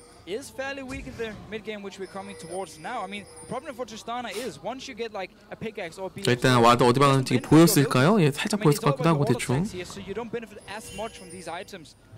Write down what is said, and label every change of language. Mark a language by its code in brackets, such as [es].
[en] Is fairly weak in the mid game which we're coming towards now. I mean, the problem for Tristana is once you get like a pickaxe or beam. [ko] 일단 와드 어디 방향인지 보였을까요? 예, 살짝 보였을 것 같기도 하고 대충. [en] So you don't benefit as much from these items.